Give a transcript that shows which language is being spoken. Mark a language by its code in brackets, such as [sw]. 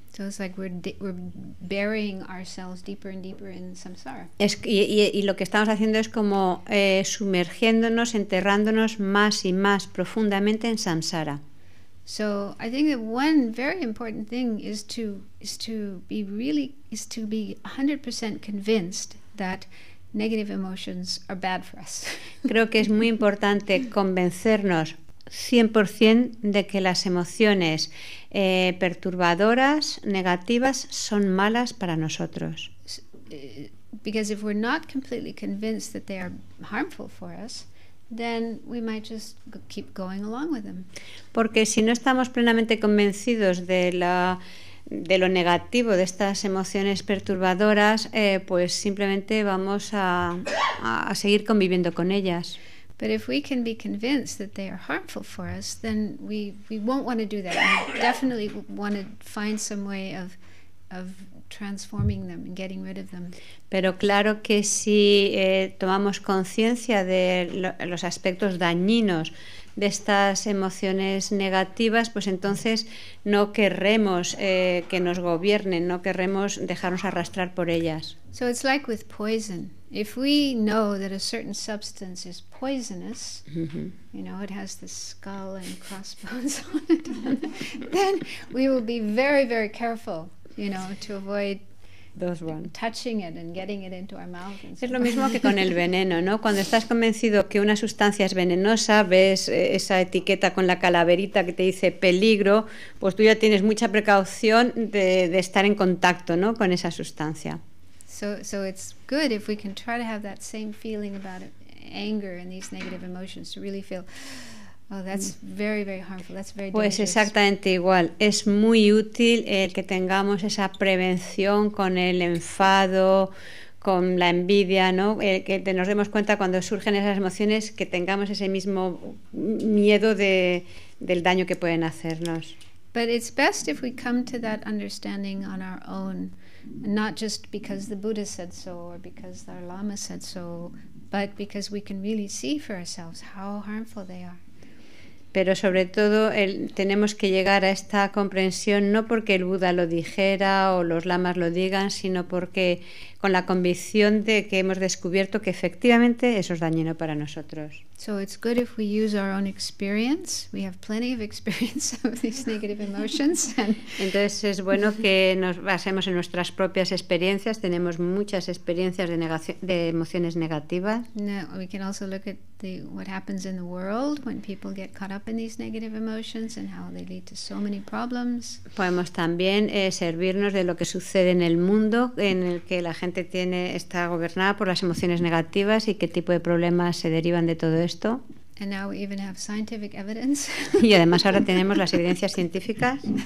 [en] So it's like we're burying ourselves deeper and deeper in samsara. [es] Y lo que estamos haciendo es como sumergiéndonos, enterrándonos más y más profundamente en samsara. [en] So I think that one very important thing is to be 100% convinced that negative emotions are bad for us. [es] Creo que es muy importante convencernos 100% de que las emociones perturbadoras, negativas, son malas para nosotros. [en] Because if we're not completely convinced that they are harmful for us, then we might just keep going along with them. [es] Porque si no estamos plenamente convencidos de lo negativo de estas emociones perturbadoras, pues simplemente vamos a seguir conviviendo con ellas. [en] But if we can be convinced that they are harmful for us, then we won't want to do that. We definitely want to find some way of transforming them and getting rid of them. [es] Pero claro que si tomamos conciencia de los aspectos dañinos de estas emociones negativas, pues entonces no querremos que nos gobiernen, no querremos dejarnos arrastrar por ellas. [en] So it's like with poison. If we know that a certain substance is poisonous, mm-hmm. you know, it has the skull and crossbones on it, then we will be very, very careful, you know, to avoid touching it and getting it into our mouth. [es] Es lo mismo que con el veneno, ¿no? Cuando estás convencido que una sustancia es venenosa, ves esa etiqueta con la calaverita que te dice peligro, pues tú ya tienes mucha precaución de estar en contacto, ¿no? Con esa sustancia. [en] So it's good if we can try to have that same feeling about anger and these negative emotions, to really feel, oh, that's very, very harmful. That's very dangerous. [es] Pues exactamente igual. Es muy útil el que tengamos esa prevención con el enfado, con la envidia, ¿no? Que nos demos cuenta cuando surgen esas emociones, que tengamos ese mismo miedo del daño que pueden hacernos. [en] But it's best if we come to that understanding on our own, not just because the Buddha said so or because our Lama said so, but because we can really see for ourselves how harmful they are. [es] Pero sobre todo tenemos que llegar a esta comprensión no porque el Buda lo dijera o los lamas lo digan, sino porque con la convicción de que hemos descubierto que efectivamente eso es dañino para nosotros. [en] So it's good if we use our own experience. We have plenty of experience of these negative emotions. [es] Entonces es bueno que nos basemos en nuestras propias experiencias. Tenemos muchas experiencias de emociones negativas. [en] No, we can also look at what happens in the world when people get caught up in these negative emotions and how they lead to so many problems. [es] Podemos también servirnos de lo que sucede en el mundo en el que la gente está gobernada por las emociones negativas y qué tipo de problemas se derivan de todo esto. [en] And now we even have scientific evidence. [es] Y además ahora tenemos las evidencias científicas